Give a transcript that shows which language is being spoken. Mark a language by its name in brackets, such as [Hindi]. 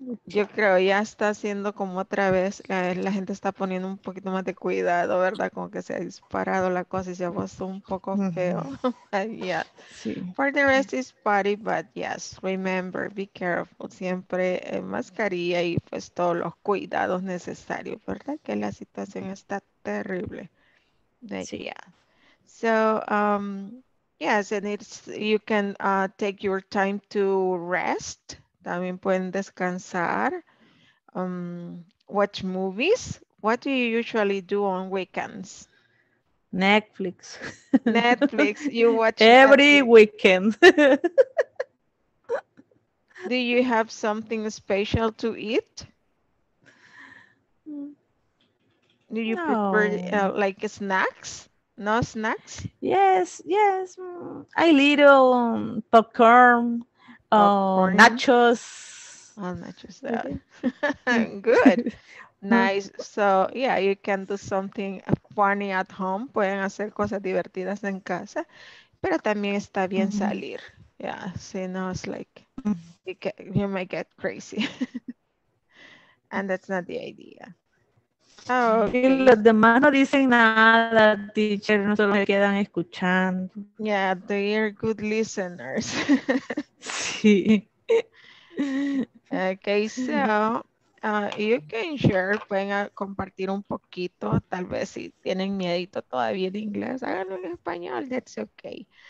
[Spanish] Yo creo ya está haciendo como otra vez, la gente está poniendo un poquito más de cuidado, ¿verdad? Como que se ha disparado la cosa y se ha puesto un poco feo. [English] Yeah. [Spanish] Sí. [English] For the rest is party, but yes, remember, be careful. [Spanish] Siempre mascarilla y pues todos los cuidados necesarios, ¿verdad? Que la situación está terrible. Sí. [English] Yeah. So, yes, and it's, you can take your time to rest. [Spanish] También pueden descansar, [English] watch movies. What do you usually do on weekends? Netflix. Netflix, you watch every Netflix. Weekend. Do you have something special to eat? Do you prefer like snacks? No snacks? Yes, yes. A little popcorn. Nachos. Yeah. Good. Nice. So, yeah, you can do something funny at home. [Spanish] Pueden hacer cosas divertidas en casa. Pero también está bien salir. Yeah. [English] So, you know, it's like you might get crazy. And that's not the idea. [Spanish] Oh, okay. Y los demás no dicen nada, teacher, no solo me quedan escuchando. [English] Yeah, they are good listeners. [Spanish] Sí. [English] Okay, so you can share, [Spanish] pueden compartir un poquito, tal vez si tienen miedito todavía de inglés, háganlo en español, [English] that's okay.